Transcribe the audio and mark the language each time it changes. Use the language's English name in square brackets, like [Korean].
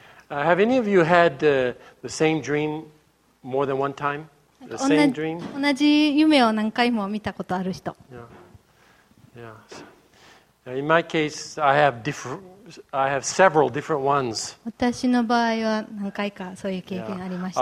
[English] Have any of you had the same dream more than one time? The same dream? [Japanese] 同じ夢を何回も見たことある人。 [English] Yeah. Yeah. In my case, I have several different ones. [Japanese] 私の場合は何回かそういう経験ありました。